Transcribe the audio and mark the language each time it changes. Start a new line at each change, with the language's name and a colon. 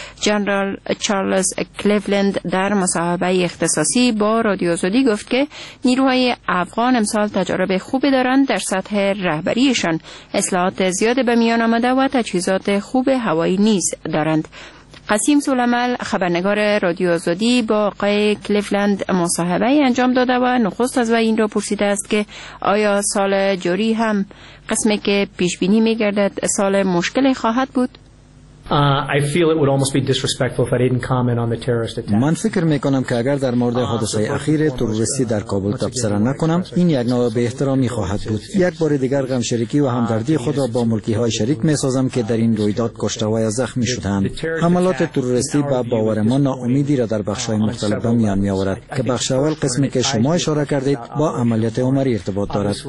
Persian: جنرال چارلز کلیولند در مصاحبه اختصاصی با رادیو آزادی گفت که نیروهای افغان امسال تجارب خوبی دارند، در سطح رهبریشان اصلاحات زیاد به میان آمده و تجهیزات خوب هوایی نیز دارند. قسیم سولمل خبرنگار رادیو آزادی با آقای کلیولند مصاحبه انجام داده و نخست از وی این را پرسیده است که آیا سال جاری هم قسمی که پیش بینی می‌گردد سال مشکلی خواهد بود؟
English: I feel it would almost be disrespectful if I didn't comment on the terrorist attack.
Persian: من فکر میکنم که اگر در مورد حادثه اخیر تروریستی در کابل تبصره نکنم این یک نوع به احترامی خواهد بود. یک بار دیگر غم شریکی و همدردی خود را با ملکی های شریک میسازم که در این رویداد کشته و یا زخمی شدند. حملات تروریستی با باور ما ناامیدی را در بخش های مختلف به میان می آورد که بخش اول قسمی که شما اشاره کردید با عملیات عمری ارتباط دارد.